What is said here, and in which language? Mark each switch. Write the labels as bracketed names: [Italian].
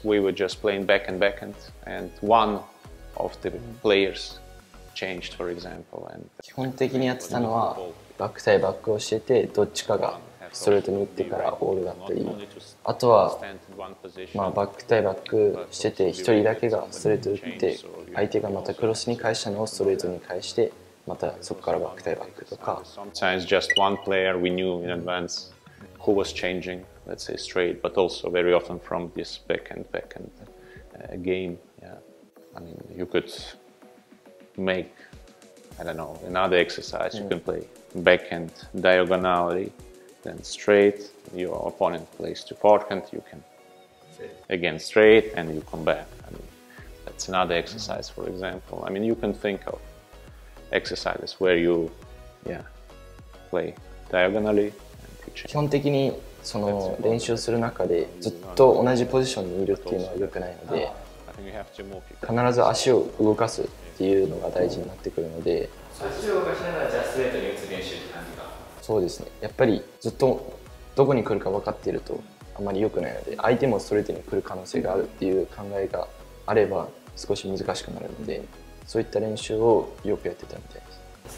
[English] We were just playing back and, and one of the players changed, for example. And [Japanese] 基本的にやってたのはバック対バックをしてて、どっちかがストレートに打ってからオールだったり、あとは、まあ、バック対バックしてて一人だけがストレート打って、相手がまたクロスに返したのをストレートに返して、またそこからバック対バックとか。 [English] Sometimes just one player we knew in advance who was changing, let's say straight, but also very often from this back and game. Yeah, I mean, you could make, I don't know, another exercise. You can play back and diagonally. Then straight, your opponent plays to forehand, you can again straight and you come back. I mean, that's another exercise, for example. I mean, you can think of exercises where you, yeah, play diagonally. [Japanese] 基本的にその練習する中でずっと同じポジションにいるっていうのは良くないので、必ず足を動かすっていうのが大事になってくるので、足を動かしながらじゃあストレートに打つ練習。そうですね、やっぱりずっとどこに来るか分かっているとあまり良くないので、相手もストレートに来る可能性があるっていう考えがあれば少し難しくなるので、そういった練習をよくやってたみたいです。